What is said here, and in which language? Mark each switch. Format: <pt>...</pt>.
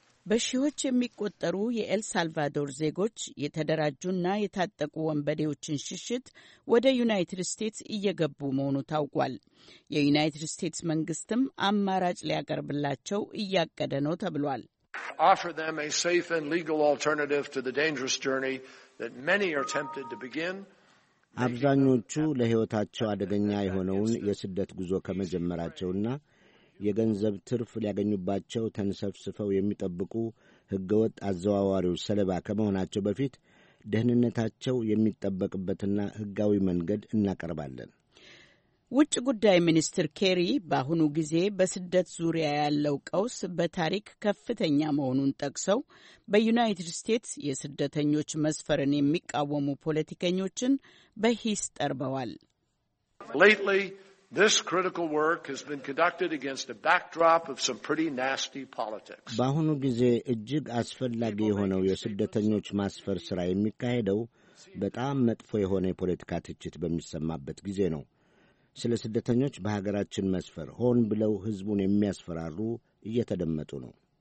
<am>በሺዎች የሚቆጠሩ የኤልሳልቫዶር ዜጎች የተደራጁና የታጠቁ ወንበዴዎችን ሽሽት ወደ ዩናይትድ ስቴትስ እየገቡ መሆኑ ታውቋል። የዩናይትድ ስቴትስ መንግስትም አማራጭ ሊያቀርብላቸው እያቀደ ነው ተብሏል።</am> <en>Offer them a safe and legal alternative to the dangerous journey that many are tempted to begin.</en> <am>አብዛኞቹ ለህይወታቸው አደገኛ የሆነውን የስደት ጉዞ ከመጀመራቸውና የገንዘብ ትርፍ ሊያገኙባቸው ተንሰፍስፈው የሚጠብቁ ህገወጥ አዘዋዋሪዎች ሰለባ ከመሆናቸው በፊት ደህንነታቸው የሚጠበቅበትና ህጋዊ መንገድ እናቀርባለን። ውጭ ጉዳይ ሚኒስትር ኬሪ በአሁኑ ጊዜ በስደት ዙሪያ ያለው ቀውስ በታሪክ ከፍተኛ መሆኑን ጠቅሰው በዩናይትድ ስቴትስ የስደተኞች መስፈርን የሚቃወሙ ፖለቲከኞችን በሂስ ጠርበዋል።</am> <en>Lately, this critical work has been conducted against a backdrop of some pretty nasty politics.</en> <am>በአሁኑ ጊዜ እጅግ አስፈላጊ የሆነው የስደተኞች ማስፈር ስራ የሚካሄደው በጣም መጥፎ የሆነ የፖለቲካ ትችት በሚሰማበት ጊዜ ነው። ስለ ስደተኞች በሀገራችን መስፈር ሆን ብለው ህዝቡን የሚያስፈራሩ እየተደመጡ ነው።</am>